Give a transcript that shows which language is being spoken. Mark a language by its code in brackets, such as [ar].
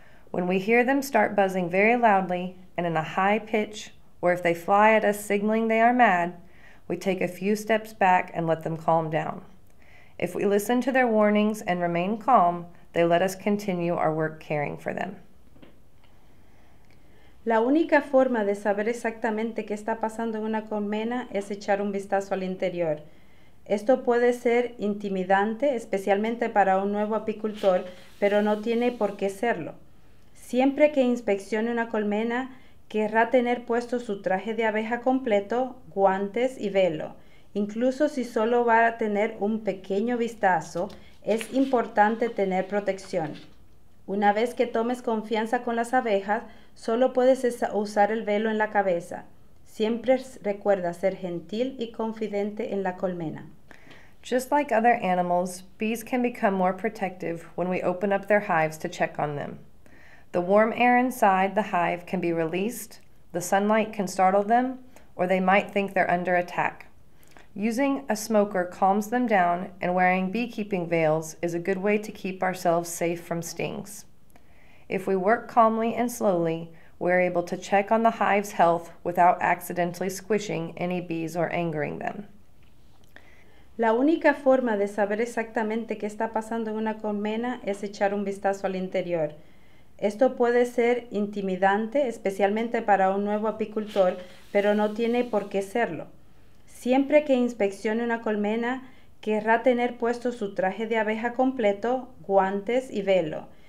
[en] When we hear them start buzzing very loudly and in a high pitch, or if they fly at us signaling they are mad, we take a few steps back and let them calm down. If we listen to their warnings and remain calm, they let us continue our work caring for them. [es] La única forma de saber exactamente qué está pasando en una colmena es echar un vistazo al interior. Esto puede ser intimidante, especialmente para un nuevo apicultor, pero no tiene por qué serlo. Siempre que inspeccione una colmena, Querrá tener puesto su traje de abeja completo, guantes y velo. Incluso si solo va a tener un pequeño vistazo, es importante tener protección. Una vez que tomes confianza con las abejas, solo puedes usar el velo en la cabeza. Siempre recuerda ser gentil y confidente en la colmena. [en] Just like other animals, bees can become more protective when we open up their hives to check on them. The warm air inside the hive can be released, the sunlight can startle them, or they might think they're under attack. Using a smoker calms them down, and wearing beekeeping veils is a good way to keep ourselves safe from stings. If we work calmly and slowly, we're able to check on the hive's health without accidentally squishing any bees or angering them. [es] La única forma de saber exactamente qué está pasando en una colmena es echar un vistazo al interior. Esto puede ser intimidante, especialmente para un nuevo apicultor, pero no tiene por qué serlo. Siempre que inspeccione una colmena, querrá tener puesto su traje de abeja completo, guantes y velo.